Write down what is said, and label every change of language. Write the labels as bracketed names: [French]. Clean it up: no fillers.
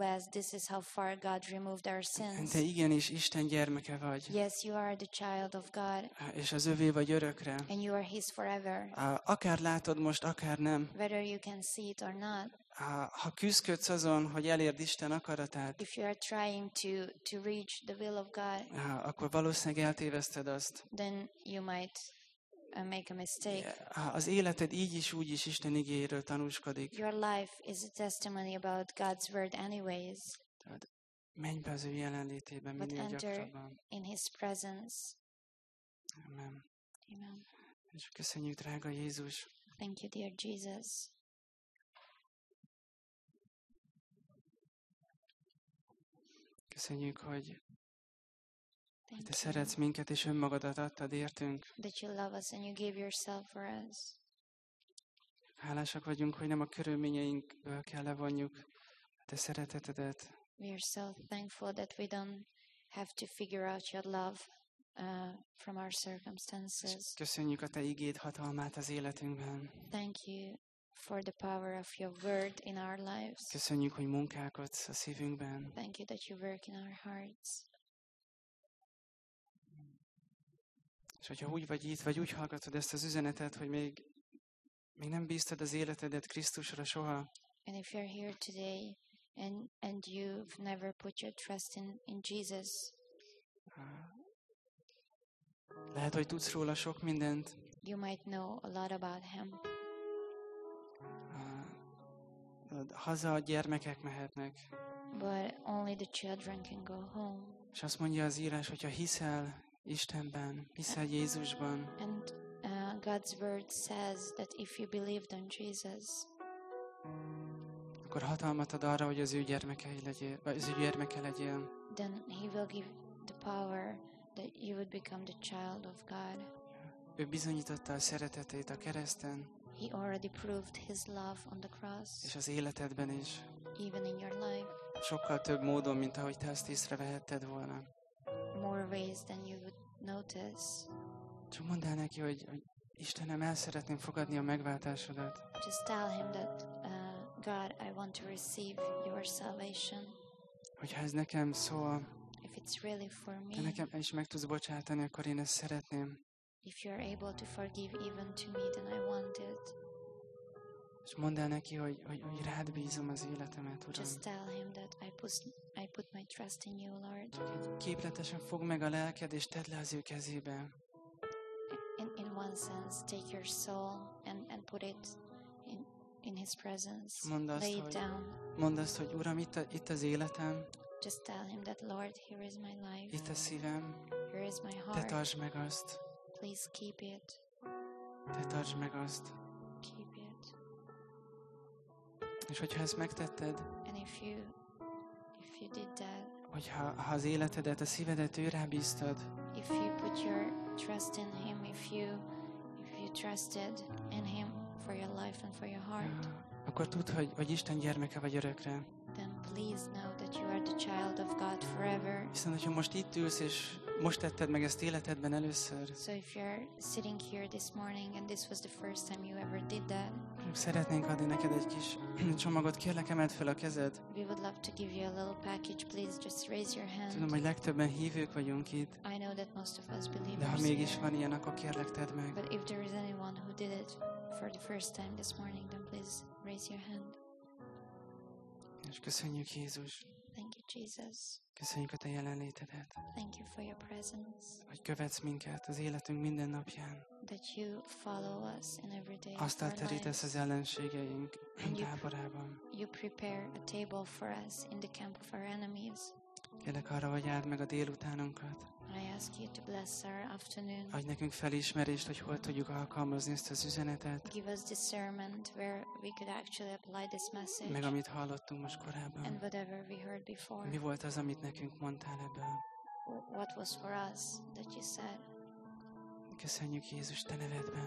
[English] This is how far God removed our sins. [Hungarian] Te igenis Isten gyermeke vagy. [English] Yes, you are the child of God. [Hungarian] És az övé vagy örökre. [English] And you are his forever. [Hungarian] Akár látod most, akár nem. [English] Whether you can see it or not. [Hungarian] Ha küzdködsz azon, hogy elérd Isten akaratát, [English] if you are trying to reach the will of God, [Hungarian] akkor valószínűleg eltéveszted azt. [English] Then you might make a mistake. [Hungarian] Az életed így is úgy is Isten igéjéről tanúskodik. [English] Your life is a testimony about God's word anyways. [Hungarian] Menj be az ő jelenlétébe minél gyakrabban. [English] But enter in his presence. [Hungarian] Amen. [English] Amen. [Hungarian] És köszönjük, drága Jézus. [English] Thank you, dear Jesus. [Hungarian] Köszönjük, hogy te szeretsz minket, és önmagadat adtad értünk. [English] That you love us and you gave yourself for us. [Hungarian] Hálásak vagyunk, hogy nem a körülményeinkből kell levonjuk te szeretetedet. [English] We are so thankful that we don't have to figure out your love from our circumstances. [Hungarian] Köszönjük a te igéd hatalmát az életünkben. [English] Thank you for the power of your word in our lives. [Hungarian] Köszönjük, hogy munkálkodsz a szívünkben. [English] Thank you that you work in our hearts. [Hungarian] És hogyha úgy vagy itt, vagy úgy hallgatod ezt az üzenetet, hogy még nem bíztad az életedet Krisztusra soha. [English] And if you're here today and you've never put your trust in Jesus. [Hungarian] Lehet, hogy tudsz róla sok mindent. [English] You might know a lot about him. [Hungarian] Haza a gyermekek mehetnek. [English] But only the children can go home. [Hungarian] És azt mondja az írás, hogyha hiszel Istenben, hiszel Jézusban. [English] And God's word says that if you believed on Jesus, [Hungarian] akkor hatalmat ad arra, hogy az ő gyermekei legyél, vagy az ő gyermeke legyél. [English] Then he will give the power that you would become the child of God. [Hungarian] Ő bizonyította a szeretetét a kereszten. [English] He already proved his love on the cross. [Hungarian] És az életedben is. [English] Even in your life. [Hungarian] Sokkal több módon, mint ahogy te ezt észrevehetted volna. [English] More ways than you would notice. [Hungarian] Csak mondd el neki, hogy Istenem, el szeretném fogadni a megváltásodat. [English] Just tell him that God, I want to receive your salvation. [Hungarian] Hogyha ez nekem szól, [English] if it's really for me, [Hungarian] te nekem is meg tudsz bocsátani, akkor én ezt szeretném. [English] If you are able to forgive even to me, then I want it. [Hungarian] És mondd el neki, hogy rád bízom az életemet, Uram. [English] Just tell him that I put my trust in you, Lord. [Hungarian] Képletesen fogd meg a lelked, és tedd le az ő kezébe. [English] In one sense, take your soul and put it in his presence. [Hungarian] Mondd azt, hogy Uram, itt az életem. [English] Just tell him that, Lord, here is my life. [Hungarian] Itt a szívem. [English] Here is my heart. [Hungarian] Te tartsd meg azt. [English] Please keep it. [Hungarian] Te tartsd meg azt. [English] Keep it. [Hungarian] És hogyha ezt megtetted, [English] and if you did that, [Hungarian] hogyha az életedet, a szívedet ő rábíztad, [English] if you put your trust in him, if you trusted in him for your life and for your heart, [Hungarian] akkor tudd, hogy Isten gyermeke vagy örökre. [English] Then please know that you are the child of God forever. [Hungarian] Hiszen, hogyha most itt ülsz, és most tetted meg ezt életedben először, [English] so if you're sitting here this morning and this was the first time you ever did that, [Hungarian] szeretnénk adni neked egy kis csomagot, kérlek, emeld fel a kezed. [English] We would love to give you a little package, please just raise your hand. [Hungarian] Tudom, hogy legtöbben hívők vagyunk itt. [English] I know that most of us believers. [Hungarian] De ha mégis van ilyen, akkor kérlek, tedd meg. [English] But if there is anyone who did it for the first time this morning, then please raise your hand. [Hungarian] És köszönjük, Jézus. [English] Thank you, Jesus. [Hungarian] Köszönjük a te jelenlétedet. [English] Thank you for your presence. [Hungarian] Hogy követsz minket az életünk minden napján. [English] That you follow us in every day. [Hungarian] Azt elterítesz az ellenségeink táborában. [English] You prepare a table for us in the camp of our enemies. [Hungarian] Kérlek arra, hogy áld meg a délutánunkat. [English] I ask you to bless our afternoon. [Hungarian] Adj nekünk felismerést, hogy hol tudjuk alkalmazni ezt az üzenetet. [English] Give us discernment where we could actually apply this message. [Hungarian] Meg amit hallottunk most korábban. [English] And whatever we heard before. [Hungarian] Mi volt az, amit nekünk mondtál ebből? [English] What was for us that you said? [Hungarian] Köszönjük Jézus te nevedben.